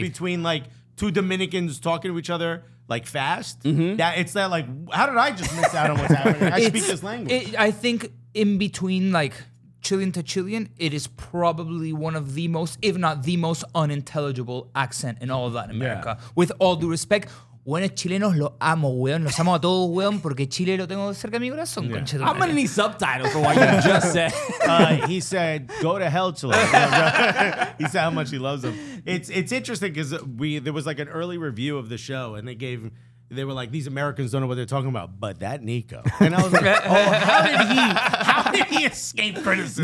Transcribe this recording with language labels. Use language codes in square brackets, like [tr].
[en] difference between like two Dominicans talking to each other like fast. Mm-hmm. That it's that like, how did I just miss out on what's happening? I speak this language. I think. In between like Chilean to Chilean, it is probably one of the most, if not the most, unintelligible accent in all of Latin America. Yeah. With all due respect, [es] bueno, chilenos lo amo, weón. Los amo a todos, weón, porque Chile lo tengo cerca de mi corazón. [en] Yeah. I'm gonna need subtitles for what you just said. He said, go to hell, Chile. He said how much he loves them. It's interesting because there was like an early review of the show and they gave... They were like, these Americans don't know what they're talking about, but that Nico. And I was like, oh, how did he escape criticism?